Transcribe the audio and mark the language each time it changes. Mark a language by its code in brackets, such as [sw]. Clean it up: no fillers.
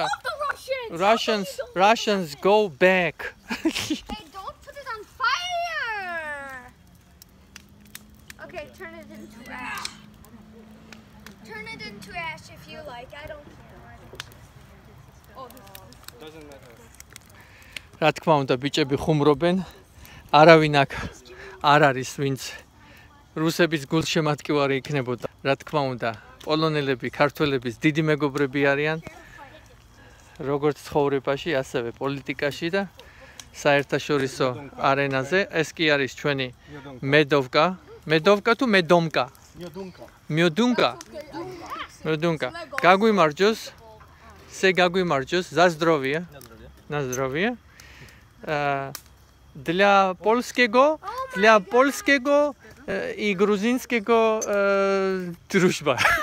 [en] I love the Russians. Okay, Russians go back. Hey, don't put it on fire. Okay, turn it into ash. Turn it into ash if you like. I don't care. Oh, this doesn't matter. [ka] რა თქმა უნდა, ბიჭები ხუმრობენ. არავინ აქ არ არის, ვინც რუსების გულშემატკივარი იქნებოდა. რა თქმა უნდა, პოლონელები ქართველების დიდი მეგობრები არიან, როგორც ცხოვრებაში, ასევე პოლიტიკაში და საერთაშორისო არენაზე. ეს კი არის ჩვენი მედოვკა. მედოვკა თუ მედომკა? მედუნკა. გაგვიმარჯოს. Се გაგვიმარჯოს. [ru] Здравствуйте. Здравствуйте. Для польского, для польского и грузинского дружба.